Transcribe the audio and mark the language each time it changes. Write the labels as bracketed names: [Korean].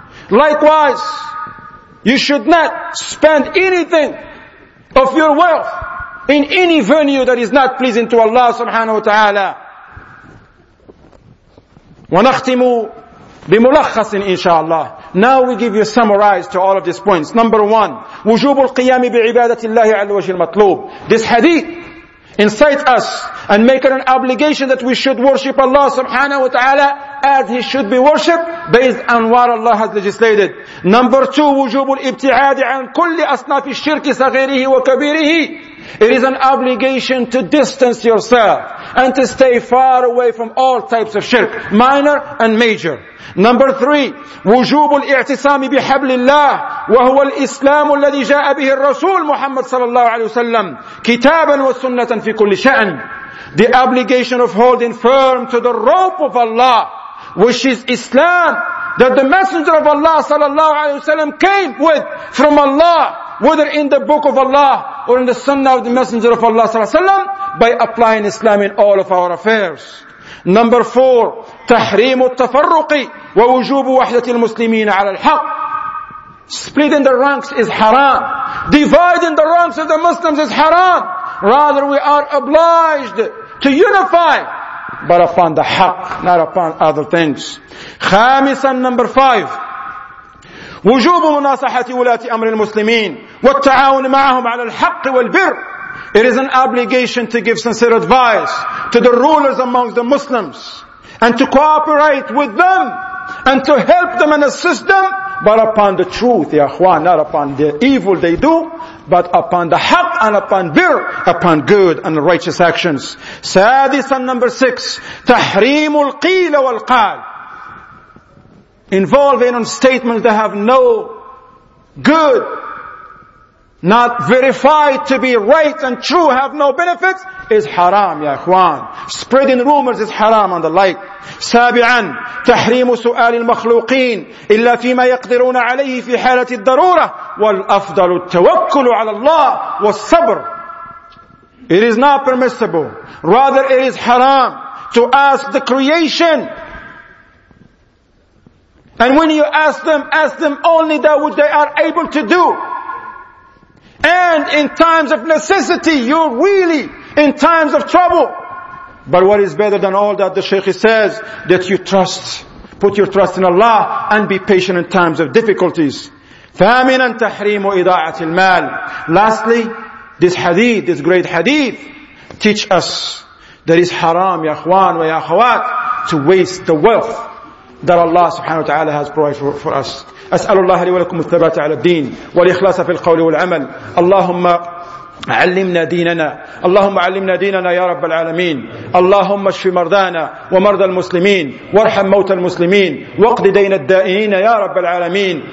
[English] Likewise, you should not spend anything of your wealth in any venue that is not pleasing to Allah subhanahu wa ta'ala. [Arabic] وَنَخْتِمُ بِمُلَخَّصٍ إِنْ شَاءَ اللَّهِ. [English] Now we give you summarized to all of these points. Number one, [Arabic] وُجُوبُ الْقِيَامِ بِعِبَادَةِ اللَّهِ عَلَى وَجْهِ الْمَطْلُوبِ. [English] This hadith incites us and make it an obligation that we should worship Allah subhanahu wa ta'ala as He should be worshipped based on what Allah has legislated. Number two, [Arabic] وجوب الابتعاد عن كل أصناف الشرك صغيره وكبيره. [English] It is an obligation to distance yourself and to stay far away from all types of shirk, minor and major. Number three, [Arabic] وجوب الاعتصام بحبل الله وهو الإسلام الذي جاء به الرسول محمد صلى الله عليه وسلم كتابا وسنة في كل شأن. [English] The obligation of holding firm to the rope of Allah, which is Islam, that the Messenger of Allah sallallahu alayhi wa sallam came with from Allah, whether in the book of Allah or in the sunnah of the Messenger of Allah sallallahu alayhi wa sallam, by applying Islam in all of our affairs. Number four, [Arabic] تحريم التفرق ووجوب وحدة المسلمين على الحق. [English] Splitting the ranks is haram. Dividing the ranks of the Muslims is haram. Rather, we are obliged to unify, but upon the haqq, not upon other things. [Arabic] Khamisan, [English] number five. [Arabic] وجوب مناصحة ولاة أمر المسلمين والتعاون معهم على الحق والبر. [English] It is an obligation to give sincere advice to the rulers amongst the Muslims and to cooperate with them and to help them and assist them but upon the truth, ya akhwan, not upon the evil they do, but upon the haqq and upon bir, upon good and righteous actions. Sadisan, number six, [Arabic] tahreemul qeel wal qal, [English] involving on statements that have no good, not verified to be right and true, have no benefits, is haram, ya akhwan. Spreading rumors is haram and the like. [Arabic] Sabi'an, تحريم سؤال المخلوقين إلا فيما يقدرون عليه في حالة الضرورة والأفضل التوكل على الله والصبر. [English] It is not permissible, rather it is haram, to ask the creation. And when you ask them only that which they are able to do. And in times of necessity, you're really in times of trouble. But what is better than all that, the Shaykh says, that you trust, put your trust in Allah and be patient in times of difficulties. [Arabic] فَأَمِنًا تَحْرِيمُ إِضَاعَةِ الْمَالِ. [English] Lastly, this hadith, this great hadith, teach us that it's haram, [Arabic] ya akhwan wa ya akhawat, [English] to waste the wealth that Allah subhanahu wa ta'ala has provided for us. [Arabic] أسأل الله لي ولكم الثبات على الدين والإخلاص في القول والعمل. اللهم علمنا ديننا, اللهم علمنا ديننا يا رب العالمين. اللهم اشف مرضانا ومرضى المسلمين, وارحم موتى المسلمين, واقض دين الدائنين يا رب العالمين.